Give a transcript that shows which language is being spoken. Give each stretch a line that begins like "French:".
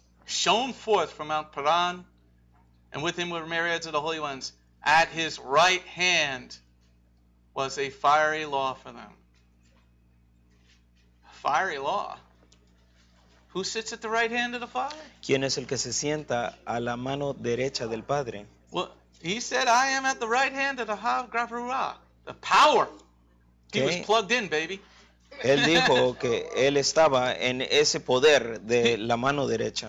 English: Shone forth from Mount Paran, and with him were myriads of the holy ones. At his right hand was a fiery law for them. Fiery law. Who sits at the right hand of the Father?
Spanish: ¿Quién es el que se sienta a la mano derecha del Padre?
English: Well, he said, I am at the right hand of the Ha-Gra-Ru-Ah. The power.
Spanish: ¿Qué?
English: He was plugged in, baby.
Spanish: Él dijo que él estaba en ese poder de la mano derecha.